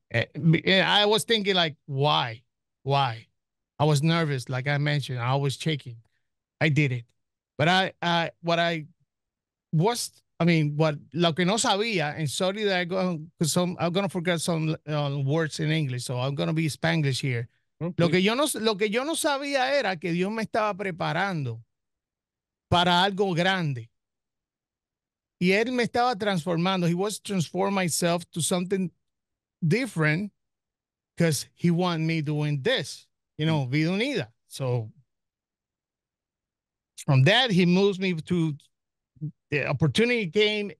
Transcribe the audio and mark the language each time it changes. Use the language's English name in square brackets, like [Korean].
[English] And I was thinking like, why? Why? I was nervous. Like I mentioned, I was shaking. I did it. But what [Spanish] lo que no sabía, [English] and sorry that I go, because I'm going to forget some words in English, so I'm going to be Spanglish here. Okay. [Spanish] Lo que yo no sabía era que Dios me estaba preparando para algo grande. Y él me estaba transformando. [English] He was transforming myself to something different because he wanted me doing this, you know, Vida Unida. So from that, he moves me to the opportunity came.